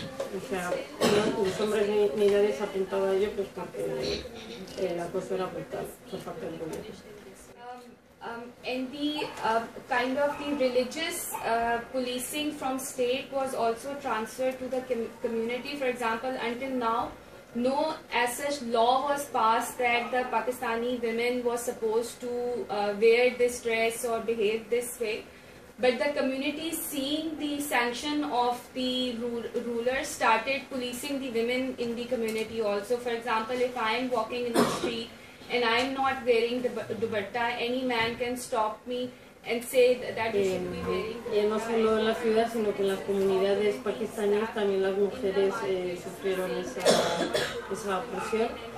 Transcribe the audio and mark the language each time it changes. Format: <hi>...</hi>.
<es>Los hombres ni nadie se apuntaba a ello, pues porque la cosa era brutal por parte del gobierno.</es> <en>And the kind of the religious policing from state was also transferred to the community. For example, until now, no as such law was passed that the Pakistani women was supposed to wear this dress or behave this way. But the community, seeing the sanction of the rulers, started policing the women in the community also. For example, if I am walking in the street and I am not wearing the dupatta, any man can stop me and say that you should be wearing.</en> <es>Y no solo en la ciudad, sino que en las comunidades pakistaníes también las mujeres sufrieron esa opresión.</es>